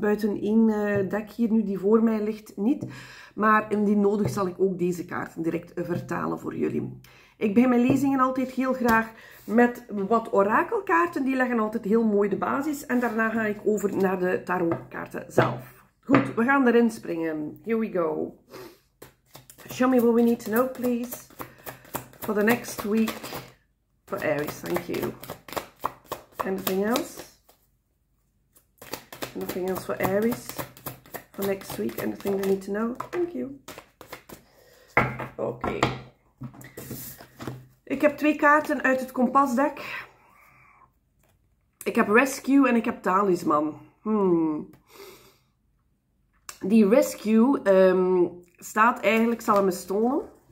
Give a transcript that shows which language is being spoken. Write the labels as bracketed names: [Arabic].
[Dutch] Buiten één deck hier nu die voor mij ligt niet. Maar indien nodig zal ik ook deze kaarten direct vertalen voor jullie. Ik begin mijn lezingen altijd heel graag met wat orakelkaarten. Die leggen altijd heel mooi de basis. En daarna ga ik over naar de tarotkaarten zelf. Goed, we gaan erin springen. [English] Here we go. Show me what we need to know, please. For the next week. For Aries, thank you. Anything else? Nothing else for Aries. For next week, anything they need to know? Thank you. [Dutch] Oké. Ik heb twee kaarten uit het kompasdek. Ik heb Rescue en ik heb Talisman. Die Rescue staat eigenlijk, zal hem eens tonen.